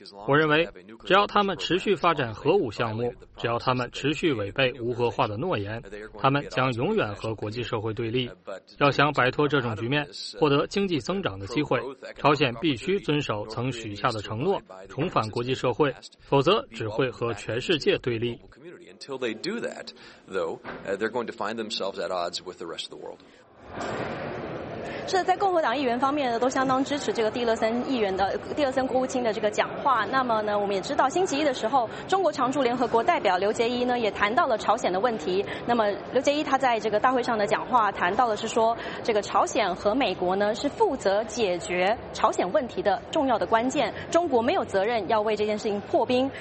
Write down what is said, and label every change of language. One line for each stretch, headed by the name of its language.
Chinese: 我认为只要他们持续发展核武项目，只要他们持续违背无核化的诺言，他们将永远和国际社会对立。要想摆脱这种局面，获得经济增长的机会，朝鲜必须遵守曾许下的承诺，重返国际社会，否则只会和全世界对立。
English: Until they do that, though, they're going to find themselves at odds with the rest of the world.
Chinese: 是的，在共和党议员方面呢，都相当支持这个蒂勒森国务卿的这个讲话。那么呢，我们也知道星期一的时候，中国常驻联合国代表刘杰一呢也谈到了朝鲜的问题。那么刘杰一他在这个大会上的讲话谈到的是说，这个朝鲜和美国呢是负责解决朝鲜问题的重要的关键，中国没有责任要为这件事情破冰。